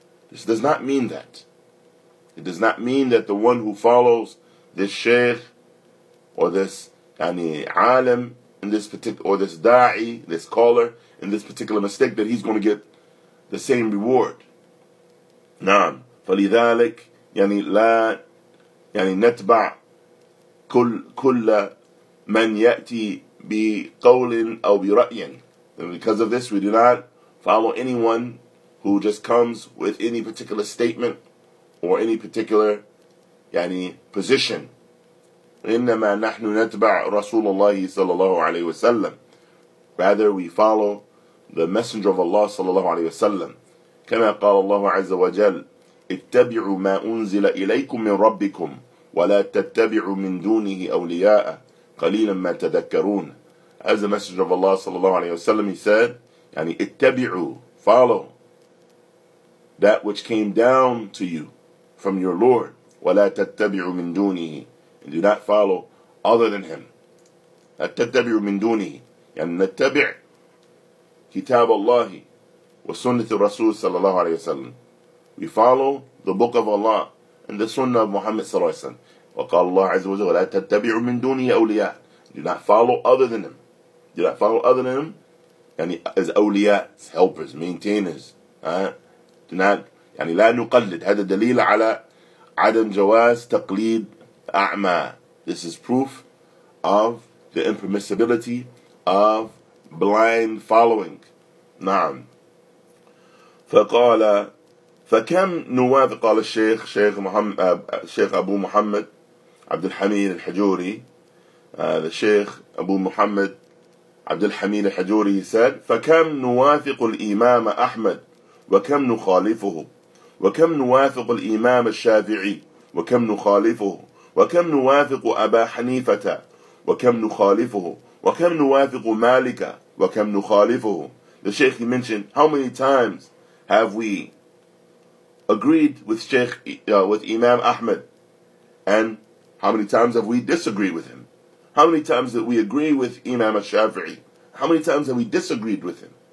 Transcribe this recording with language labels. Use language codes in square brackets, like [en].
[en] This does not mean that. It does not mean that the one who follows this sheikh or this yani alim in this particular, or this da'i, this caller in this particular mistake, that he's going to get the same reward. [ar] نعم فلذلك يعني لا يعني نتبع كل من يأتي بقول أو برأي. [en] Because of this, we do not follow anyone who just comes with any particular statement or any particular يعني position. [ar] إنما نحن نتبع رسول الله صلى الله عليه وسلم. [en] Rather, we follow the Messenger of Allah [ar] صلى الله عليه وسلم. كما قال الله عز وجل اتبعوا ما أنزل إليكم من ربكم ولا تتبعوا من دونه أولياء قليلا ما تذكرون. [en] As the Messenger of Allah sallallahu alayhi wa sallam, he said, يعني اتبعوا, follow that which came down to you from your Lord. [ar] ولا تتبعوا من دونه, [en] and do not follow other than him. [ar] لا تتبعوا من دونه, يعني نتبع كتاب الله وسنة الرسول صلى الله عليه وسلم. [en] We follow the book of Allah and the sunnah of Muhammad [ar] صلى الله عليه وسلم. وقال الله عز وجل ولا تتبعوا من دونه أولياء, [en] do not follow other than him. Do not follow other than him, يعني as أولياء, as helpers, maintainers. Do not, [ar] يعني لا نقلد. هذا دليل على عدم جواز تقليد أعمى. [en] This is proof of the impermissibility of blind following. [ar] نعم. فقال فكم نواب, قال الشيخ شيخ محمد شيخ أبو محمد عبد الحميد الحجوري, الشيخ أبو محمد عبد الحميد الحجوري said, فكم نوافق الإمام أحمد وكم نخالفه وكم نوافق الإمام الشافعي وكم نخالفه وكم نوافق أبا حنيفة وكم نخالفه وكم نوافق مالك وكم نخالفه. [en] The Sheikh mentioned, how many times have we agreed with Sheikh with Imam Ahmad, and how many times have we disagreed with him? How many times did we agree with Imam al-Shafi'i? How many times have we disagreed with him?